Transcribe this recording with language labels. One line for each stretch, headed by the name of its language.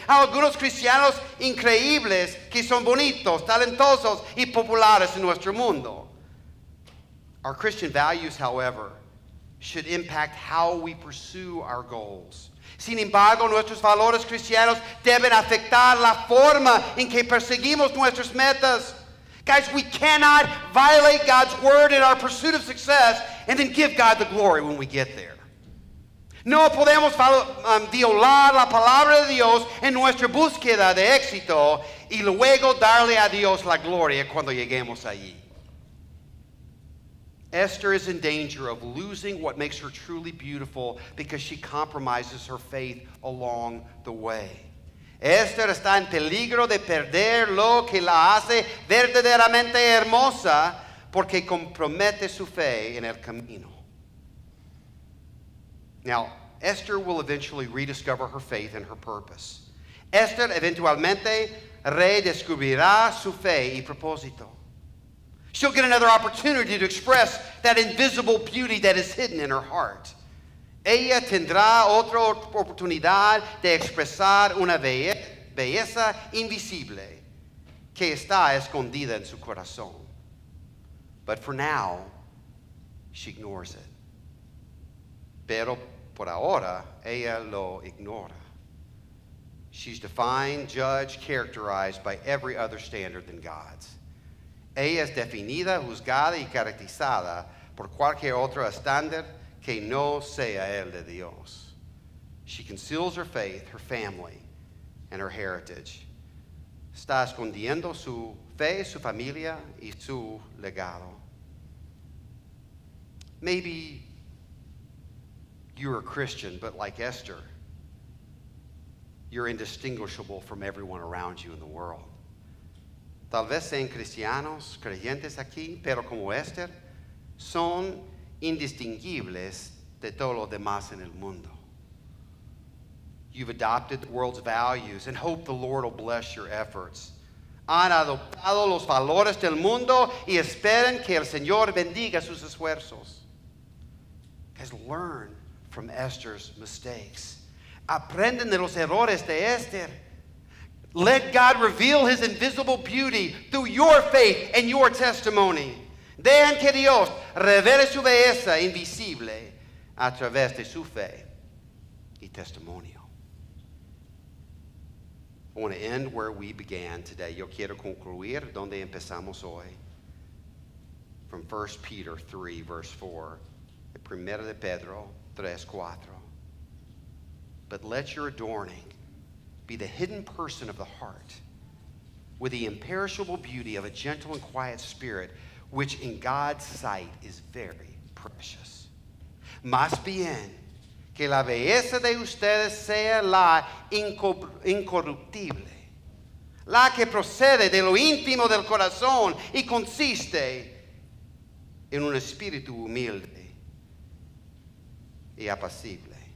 Spanish: Algunos cristianos increíbles que son bonitos, talentosos y populares en nuestro mundo.
English: Our Christian values, however, should impact how we pursue our goals.
Spanish: Sin embargo, nuestros valores cristianos deben afectar la forma en que perseguimos nuestras metas.
English: Guys, we cannot violate God's word in our pursuit of success and then give God the glory when we get there.
Spanish: No podemos violar la palabra de Dios en nuestra búsqueda de éxito y luego darle a Dios la gloria cuando lleguemos allí.
English: Esther is in danger of losing what makes her truly beautiful because she compromises her faith along the way.
Spanish: Esther está en peligro de perder lo que la hace verdaderamente hermosa porque compromete su fe en el camino.
English: Now, Esther will eventually rediscover her faith and her purpose.
Spanish: Esther eventualmente redescubrirá su fe y propósito.
English: She'll get another opportunity to express that invisible beauty that is hidden in her heart.
Spanish: Ella tendrá otra oportunidad de expresar una belleza invisible que está escondida en su corazón.
English: But for now, she ignores it.
Spanish: Pero por ahora, ella lo ignora.
English: She's defined, judged, characterized by every other standard than God's.
Spanish: Ella es definida, juzgada y caracterizada por cualquier otro estándar que no sea el de Dios.
English: She conceals her faith, her family, and her heritage.
Spanish: Está escondiendo su fe, su familia, y su legado.
English: Maybe you're a Christian, but like Esther, you're indistinguishable from everyone around you in the world.
Spanish: Tal vez sean cristianos, creyentes aquí, pero como Esther, son indistinguibles de todo lo demás en el mundo.
English: You've adopted the world's values and hope the Lord will bless your efforts.
Spanish: Han adoptado los valores del mundo y esperan que el Señor bendiga sus esfuerzos.
English: Has learned from Esther's mistakes.
Spanish: Aprenden de los errores de Esther.
English: Let God reveal his invisible beauty through your faith and your testimony.
Spanish: Dejen que Dios revele su belleza invisible a través de su fe y testimonio.
English: I want to end where we began today.
Spanish: Yo quiero concluir donde empezamos hoy.
English: From 1 Peter 3, verse 4.
Spanish: De Primera de Pedro 3, 4.
English: But let your adorning be the hidden person of the heart with the imperishable beauty of a gentle and quiet spirit, which in God's sight is very precious.
Spanish: Más bien, que la belleza de ustedes sea la incorruptible, la que procede de lo íntimo del corazón y consiste en un espíritu humilde y apacible.